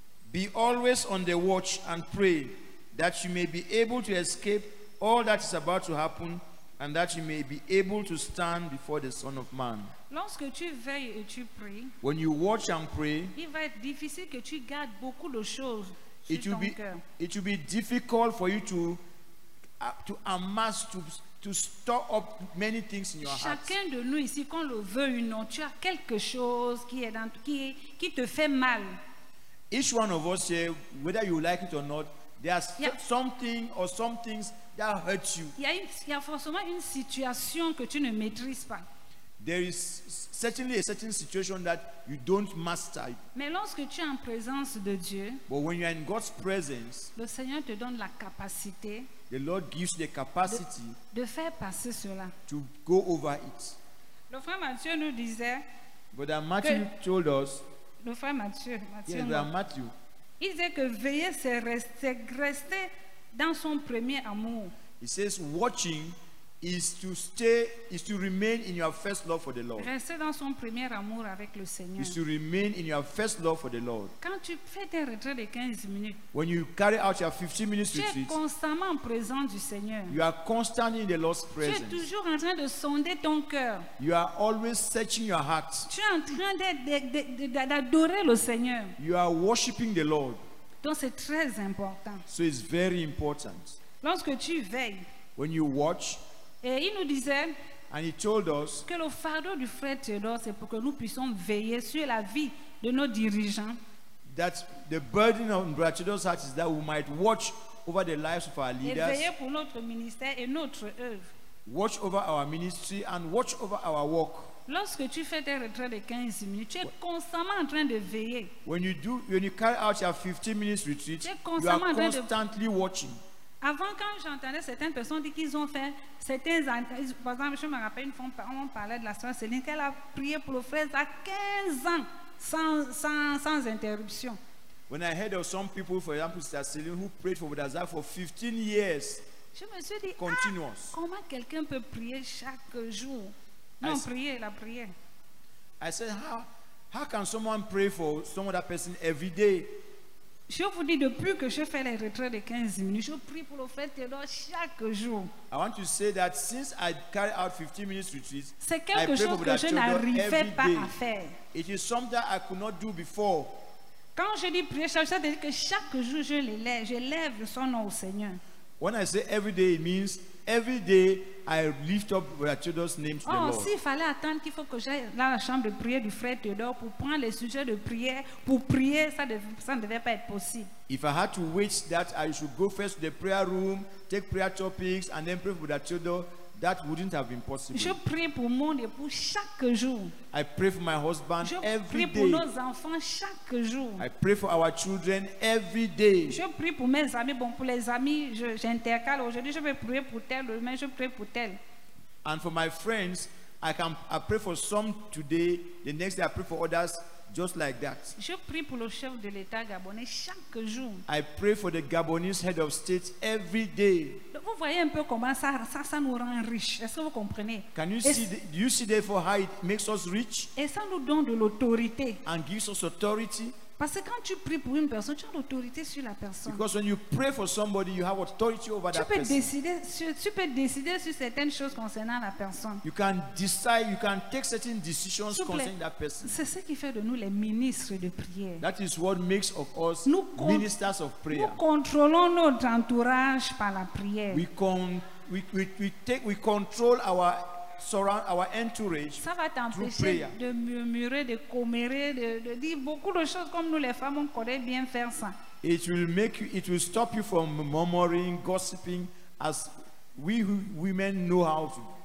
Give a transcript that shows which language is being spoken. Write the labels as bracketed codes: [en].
[en] Be always on the watch and pray that you may be able to escape all that is about to happen and that you may be able to stand before the Son of Man. [fr] Lorsque tu veilles et tu pries, [en] when you watch and pray, [fr] il va être difficile que tu gardes beaucoup de choses sur ton cœur. [en] It will be difficult for you to amass, to store up many things in your heart. [fr] Chacun de nous ici, qu'on le veut ou non, tu as quelque chose qui te fait mal. [en] Each one of us here, whether you like it or not, there is something or some things that hurt you. [fr] Il y a forcément une situation que tu ne maîtrises pas. [en] There is certainly a certain situation that you don't master. [fr] Mais lorsque tu es en présence de Dieu, [en] but when you are in God's presence, [fr] le Seigneur te donne la capacité. [en] The Lord gives the capacity [fr] de faire passer cela. [en] To go over it. [fr] Le frère Mathieu nous disait. [en] Brother Matthew told us. [fr] Le frère Mathieu. [en] Yes, Brother Matthew. [fr] Il disait que veiller c'est rester dans son premier amour. [en] He says watching is to remain in your first love for the Lord. [fr] Rester dans son premier amour avec le Seigneur. [en] Is to remain in your first love for the Lord. [fr] Quand tu fais tes retraits de 15 minutes. [en] When you carry out your 15 minutes retreat. [fr] Tu es constamment en présence du Seigneur. [en] You are constantly in the Lord's presence. [fr] Tu es toujours en train de sonder ton cœur. [en] You are always searching your heart. [fr] Tu es en train d'adorer le Seigneur. [en] You are worshiping the Lord. [fr] Donc c'est très important. [en] So it's very important. [fr] Lorsque tu veilles. [en] When you watch. [fr] Et il nous disait, [en] and he told us, [fr] que le fardeau du frère Théodore, c'est pour que nous puissions veiller sur la vie de nos dirigeants. [en] That the burden of Brother Théodore's heart is that we might watch over the lives of our leaders. [fr] Et veiller pour notre ministère et notre œuvre. [en] Watch over our ministry and watch over our work. [fr] Lorsque tu fais tes retraits de 15 minutes, tu es constamment en train de veiller. [en] When you carry out your 15 minutes retreat, you are constantly watching. [fr] Avant, quand j'entendais certaines personnes dire qu'ils ont fait certains. Par exemple, je me rappelle une fois, on parlait de la soeur Céline, qu'elle a prié pour le frère à 15 ans, sans interruption. [en] When I heard of some people, for example, Sister Céline, who prayed for Brother Zach for 15 years, [fr] je me suis dit, [en] continuous. [fr] Ah, comment quelqu'un peut prier chaque jour? Non, prier, la prière. [en] I said, how can someone pray for some other person every day? [fr] Je vous dis, depuis que je fais les retraits de 15 minutes, je prie pour le frère Théodore chaque jour. [en] I want to say that since I carry out 15 minutes retreats, [fr] c'est quelque chose que je n'arrivais pas à faire. [en] It is something I could not do before. [fr] Quand je dis prier, ça veut dire que chaque jour je l'élève, je lève son nom au Seigneur. [en] When I say every day, it means every day I lift up Brother Theodore's name to the Lord. [fr] Oh, s'il fallait attendre qu'il faut que j'aille dans la chambre de prière du frère Théodore pour prendre les sujets de prière, pour prier, ça ne devait pas être possible. [en] If I had to wait that I should go first to the prayer room, take prayer topics and then pray for Brother Theodore, that wouldn't have been possible. [fr] Je prie pour mon époux chaque jour. [en] I pray for my husband every day. [fr] Je prie pour nos enfants chaque jour. [en] I pray for our children every day. [fr] Je prie pour mes amis. Bon, pour les amis, j'intercale. Aujourd'hui, je vais prier pour tel, demain, je prie pour tel. [en] And for my friends, I pray for some today. The next day, I pray for others. Just like that. [fr] Je prie pour le chef de l'État gabonais chaque jour. [en] I pray for the Gabonese head of state every day. [fr] Vous voyez un peu comment ça nous rend riches. Est-ce que vous comprenez? [en] Can you see? Do you see therefore how it makes us rich? [fr] Et ça nous donne de l'autorité. [en] And gives us authority. [fr] Parce que quand tu pries pour une personne, tu as l'autorité sur la personne. [en] Because when you pray for somebody, you have authority over that person. [fr] Tu peux décider sur certaines choses concernant la personne. [en] You can decide, you can take certain decisions concerning that person. [fr] C'est ce qui fait de nous les ministres de prière. [en] That is what makes of us ministers of prayer. [fr] Nous contrôlons notre entourage par la prière. [en] We control our surround our entourage. [fr] Ça va t'empêcher de murmurer, de commérer, de dire beaucoup de choses comme nous les femmes on connaît bien faire ça. [en] It will make you, it will stop you from murmuring, gossiping, as we women know how to.